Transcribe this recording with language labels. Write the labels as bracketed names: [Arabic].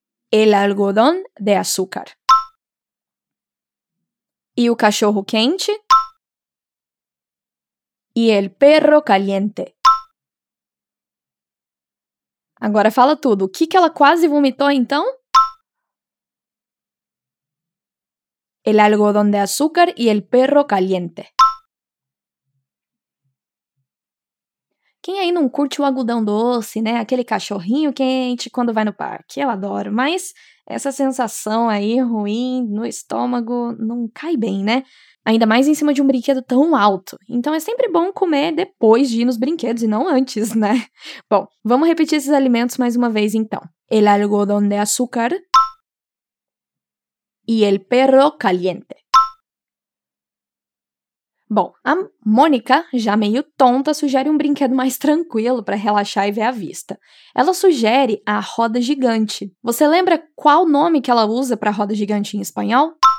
[Spanish] El algodón de azúcar. [Portuguese] E o cachorro quente? [Spanish] Y el perro caliente. [Portuguese] Agora fala tudo. O que, que ela quase vomitou, então? [Spanish] El algodón de azúcar y el perro caliente. [Portuguese] Quem aí não curte o algodão doce, né? Aquele cachorrinho quente quando vai no parque. Eu adoro, mas essa sensação aí ruim no estômago não cai bem, né? Ainda mais em cima de um brinquedo tão alto. Então é sempre bom comer depois de ir nos brinquedos e não antes, né? Bom, vamos repetir esses alimentos mais uma vez então. [Spanish] El algodón de azúcar y el perro caliente. [Portuguese] Bom, a Mônica, já meio tonta, sugere um brinquedo mais tranquilo para relaxar e ver a vista. Ela sugere a roda gigante. Você lembra qual nome que ela usa para roda gigante em espanhol?